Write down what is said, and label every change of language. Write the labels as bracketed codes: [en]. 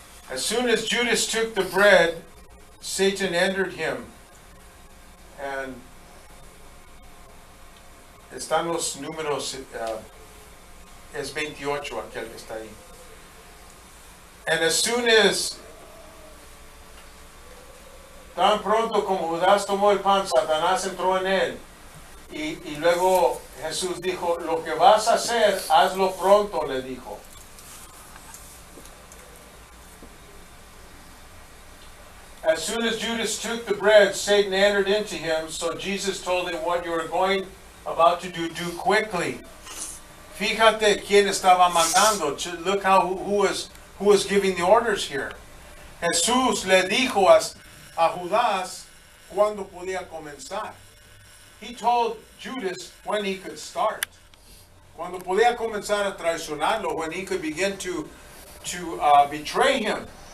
[en] As soon as Judas took the bread, Satan entered him. And [es] están los números, es 28 aquel que está ahí. [en] And as soon as, [es] tan pronto como Judas tomó el pan, Satanás entró en él. Y luego Jesús dijo, lo que vas a hacer, hazlo pronto, le dijo. [en] As soon as Judas took the bread, Satan entered into him. So Jesus told him, what you are going about to do, do quickly. [es] Fíjate quién estaba mandando. [en] Look how, who was giving the orders here. [es] Jesús le dijo a Judas cuando podía comenzar. [en] He told Judas when he could start. [es] Cuando podía comenzar a traicionarlo, [en] when he could begin to betray him.